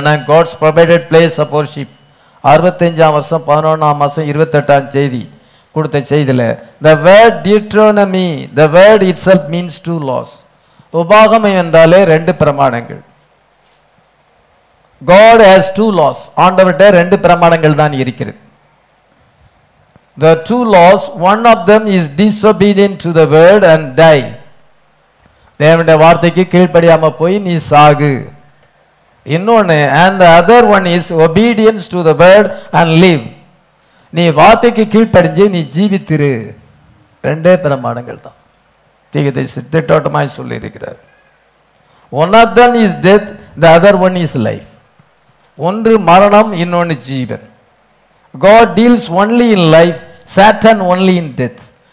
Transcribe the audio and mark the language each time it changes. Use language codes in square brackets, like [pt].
[en] God's provided place of worship, 65 11 28 [ta] செய்தி கொடுத்த செய்தியில் [en] The word Deuteronomy, the word itself means two laws. [ta] உபாகம் என்றாலே ரெண்டு பிரமாணங்கள். [en] God has two laws. [ta] ஆண்டவர்கிட்ட ரெண்டு பிரமாணங்கள் தான் இருக்கிறது. [en] The two laws, one of them is disobedient to the word and die. [ta] தேவனுடைய வார்த்தைக்கு கீழ்ப்படியாம போய் நீ சாகு. இன்னொன்னு, [en] and the other one is obedience to the word and live. [ta] நீ வார்த்தைக்கு கீழ்ப்படிஞ்சு நீ ஜீவித்திரு. ரெண்டே பிரமாணங்கள் தான். நீங்க இதை திட்டோட்டமாய் சொல்லியிருக்கிறார். [en] One of them is death, the other one is life. [ta] ஒன்று மரணம், இன்னொன்று ஜீவன். [en] God deals only in life, Satan only in death.